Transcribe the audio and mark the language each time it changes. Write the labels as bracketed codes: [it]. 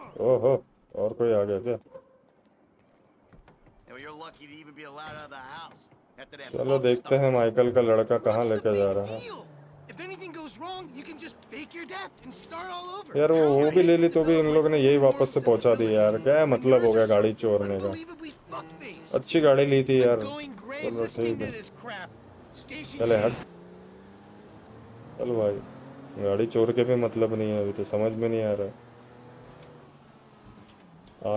[hi] ओहो और कोई आ गया क्या। चलो देखते हैं माइकल का लड़का कहाँ लेके जा रहा है। [en] If anything goes wrong, you can just fake your death and start all over. [hi] यार वो भी ले ली तो भी इन लोगों ने यही वापस से पहुंचा दी यार, क्या मतलब हो गया गाड़ी चोरने का। अच्छी गाड़ी ली थी यार, चलो ठीक है चले हट। चलो भाई गाड़ी चोर के भी मतलब नहीं है अभी तो समझ में नहीं आ रहा।